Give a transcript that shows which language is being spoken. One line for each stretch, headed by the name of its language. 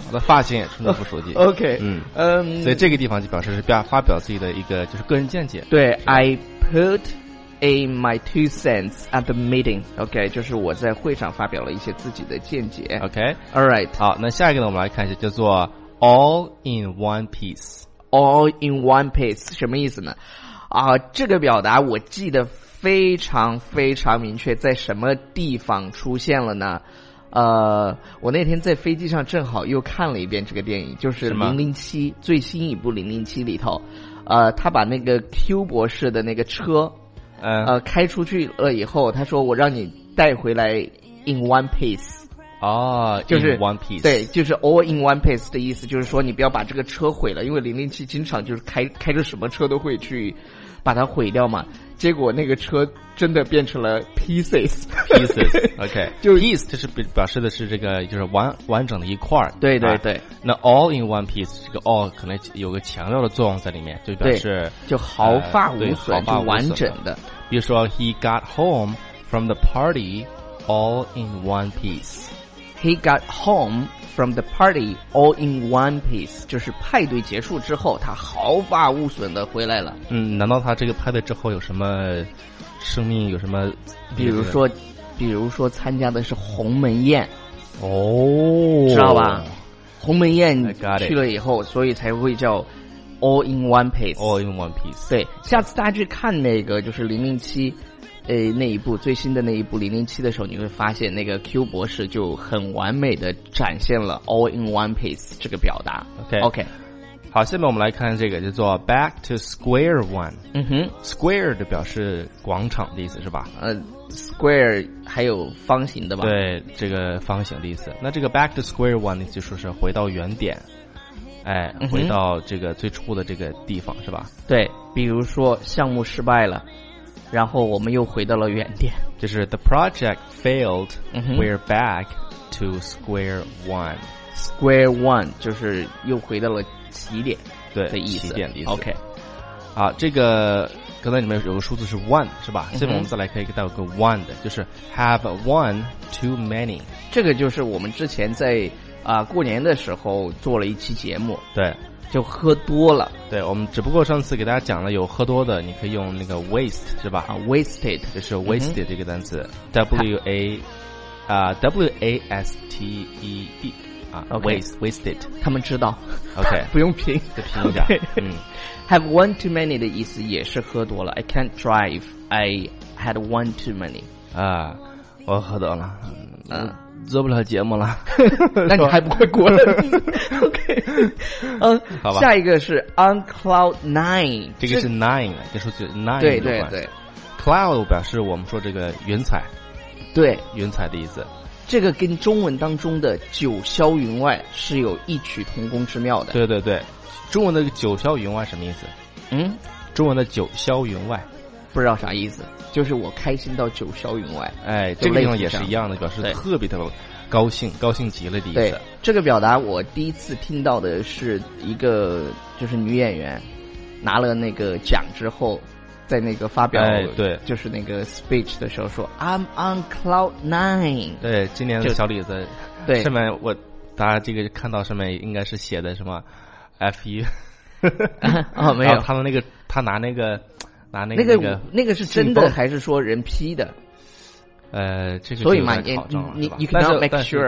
Chinese: 我的发型也春支部书记。
English: OK，
Chinese: 所以这个地方就表示是发表自己的一个就是个人见解。对，
English: I putIn my two cents at the meeting，
Chinese: OK， 就是我在会上发表了一些自己的见解。
English: OK， All right，
Chinese: 好，那下一个呢，我们来看一下，叫做
English: All in one piece。 All in one piece
Chinese: 什么意思呢？啊，这个表达我记得非常非常明确，在什么地方出现了呢？我那天在飞机上正好又看了一遍这个电影，就是《007》最新一部《007》里头，他把那个 Q 博士的那个车。开出去了以后，他说我让你带回来
English: in one piece。哦，
Chinese: 就是
English: one piece。
Chinese: 对，就是
English: all in one piece
Chinese: 的意思，就是说你不要把这个车毁了，因为007经常就是开着什么车都会去把它毁掉嘛。结果那个车真的变成了 pieces。 pieces， OK， 就 piece 就是表示的是这个就是完整的一块。对对对、啊。那 all in one piece 这个 all 可能有个强调的作用在里面，就表示就毫发无损，毫发无损完整的。比如说
English: he got home from the party all in one piece。 He got home from the party all in one piece，
Chinese: 就是派对结束之后他毫发无损的回来了。难道他这个派对之后有什么生命，有什么比如说参加的是鸿门宴。哦，知道吧，鸿门宴去了以后，所以才会叫 all in one piece。
English: all in one piece，对，下次大家去看那个就是007那一部最新的那一部007的时候，你会发现那个 Q 博士就很完美的展现了 all in one piece 这个表达。
Chinese: OK 好，下面我们来看这个叫做
English: back to square one。
Chinese: square 的表示广场的意思是吧， square 还有方形的吧，对，这个方形的意思。那这个
English: back to square one
Chinese: 的意思就是说是回到原点，哎，回到这个最初的这个地方是吧。对，比如说项目失败了，然后我们又回到了原点，就是
English: the project failed, we're back to square one.
Chinese: Square one 就是又回到了起点的意思，对，起点的意思。
English: OK，
Chinese: 啊，这个刚才里面有个数字是 one 是吧？所以我们再来可以带有个 one 的，就是
English: have one too many。
Chinese: 这个就是我们之前在过年的时候做了一期节目，对，就喝多了。对，我们只不过上次给大家讲了有喝多的，你可以用那个 waste 是吧？
English: 啊 ，wasted
Chinese: 就是 wasted 这个单词 ，w a 啊 w a s t e d。啊、
English: okay, wasted
Chinese: 他们知道
English: OK
Chinese: 不用拼再拼一下、
English: okay. 嗯、 Have one too many
Chinese: 的意思也是喝多了
English: I can't drive I had one too many
Chinese: 啊，我喝多了、做不了节目了那你还不快过来OK、好吧，下一个是
English: on cloud nine
Chinese: 这个是 nine 这数字 nine 对对对 cloud 表示我们说这个云彩对云彩的意思这个跟中文当中的九霄云外是有异曲同工之妙的对对对中文的九霄云外什么意思嗯中文的九霄云外不知道啥意思就是我开心到九霄云外哎这个地方也是一样的表示特别特别高兴高兴极了的意思对这个表达我第一次听到的是一个就是女演员拿了那个奖之后在那个发表、哎、对就是那个 speech 的时候说
English: I'm on cloud nine
Chinese: 对今年的小李子对上面我大家这个看到上面应该是写的什么 FU 啊、哦、没有他们那个他拿那个拿那个、那个那个是真的还是说人批的这个所以嘛你
English: cannot make sure